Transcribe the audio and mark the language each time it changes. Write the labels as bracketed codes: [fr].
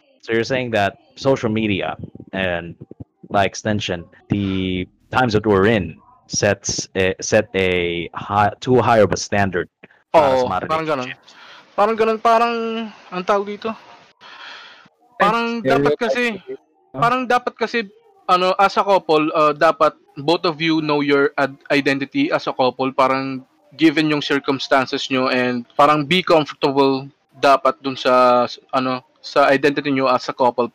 [en] So you're saying that social media and by extension the times that we're in sets a too high of a standard. [tl] Parang ganun, ang tawag dito? Parang dapat kasi, [en] as a couple, dapat both of you know your identity as a couple, parang given yung circumstances nyo and parang be comfortable [tl] dapat dun sa [en] identity nyo as a couple.